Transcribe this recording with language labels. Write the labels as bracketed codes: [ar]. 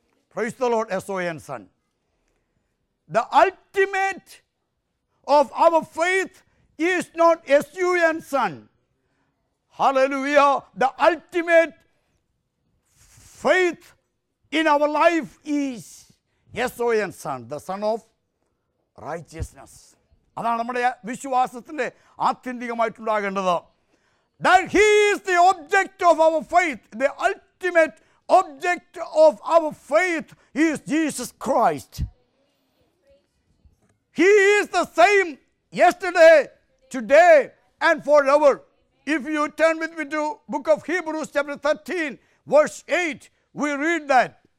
[en] Praise the Lord, S-O-N, son. The ultimate of our faith is not S-U-N, son. Hallelujah. The ultimate faith in our life is S-O-N, son, the son of righteousness. [ml] അതാണ് നമ്മുടെ വിശ്വാസത്തിൻ്റെ ആത്യന്തികമായിട്ടുണ്ടാകേണ്ടത്. [en] That he is the object of our faith. The ultimate object of our faith is Jesus Christ. He is the same yesterday, today, and forever. If you turn with me to book of Hebrews chapter 13, verse 8, we read that.